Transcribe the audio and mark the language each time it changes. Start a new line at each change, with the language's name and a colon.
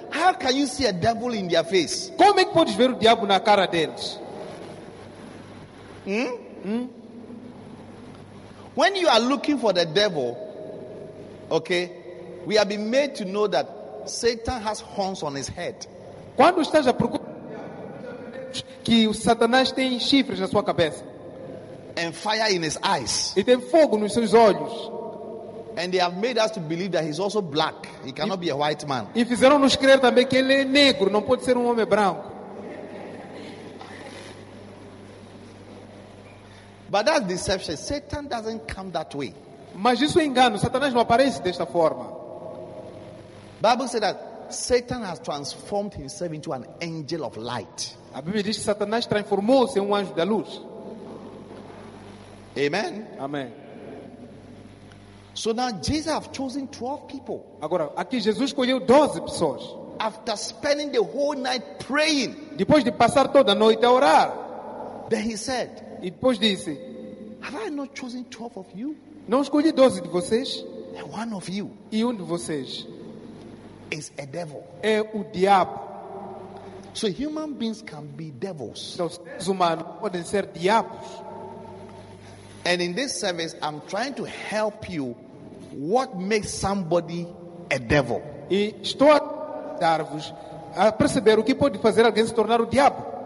English: How can you see a devil in their face?
Portuguese: Como é que podes ver o diabo na cara deles?
English: When you are looking for the devil, okay, we have been made to know that Satan has horns on his head.
Portuguese: Quando estás a procurar que o Satanás tem chifres na sua cabeça.
English: And fire in his eyes.
Portuguese: E tem fogo nos seus olhos.
English: And they have made us to believe that he's also black. He cannot be a white man.
Portuguese: E fizeram-nos crer também que ele é negro, não pode ser homem branco.
English: But that's deception. Satan doesn't come that way.
Portuguese: Mas isso é engano. Satanás não aparece desta forma.
English: Bible says that Satan has transformed himself into an angel of light.
Portuguese: A Bíblia diz que Satanás transformou-se em um anjo da luz.
English: Amen.
Portuguese: Amém.
English: So now Jesus have chosen 12 people.
Portuguese: Agora aqui Jesus escolheu 12 pessoas.
English: After spending the whole night praying.
Portuguese: Depois de passar toda a noite a orar.
English: Then he said,
Portuguese: e depois disse,
English: have I not chosen 12 of you?
Portuguese: Não escolhi 12 de vocês?
English: And one of you,
Portuguese: e um de vocês,
English: is a devil.
Portuguese: É o diabo.
English: So human beings can be devils.
Portuguese: Então, seres humanos podem ser diabos.
English: And in this service, I'm trying to help you. What makes somebody a devil?
Portuguese: E estou a dar-vos a perceber o que pode fazer alguém se tornar o diabo.